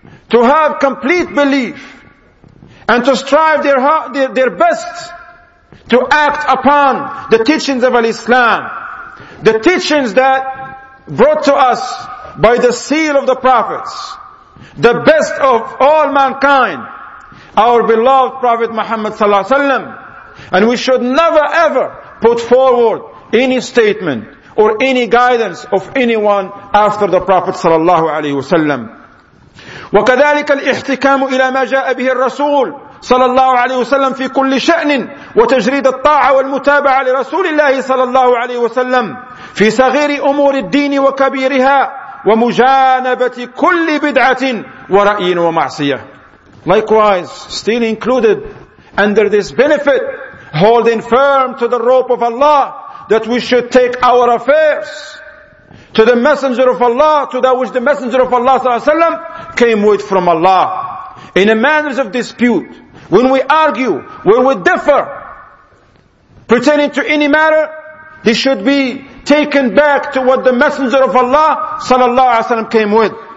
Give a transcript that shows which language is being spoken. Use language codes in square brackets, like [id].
[en] To have complete belief and to strive their best to act upon the teachings of Al-Islam, the teachings that brought to us by the seal of the prophets, the best of all mankind, our beloved Prophet Muhammad sallallahu alaihi wasallam, and we should never ever put forward any statement or any guidance of anyone after the Prophet sallallahu alaihi wasallam. [ar] وكذلك الاحتكام إلى ما جاء به الرسول صلى الله عليه وسلم في كل شأن وتجريد الطاعة والمتابعة لرسول الله صلى الله عليه وسلم في صغير أمور الدين وكبيرها ومجانبة كل بدعة ورأي ومعصية. [en] Likewise, still included under this benefit, holding firm to the rope of Allah, that we should take our affairs to the Messenger of Allah, to that which the Messenger of Allah sallallahu alaihi wasallam came with from Allah. In a manners of dispute, when we argue, when we differ pertaining to any matter, he should be taken back to what the Messenger of Allah sallallahu alaihi wasallam came with.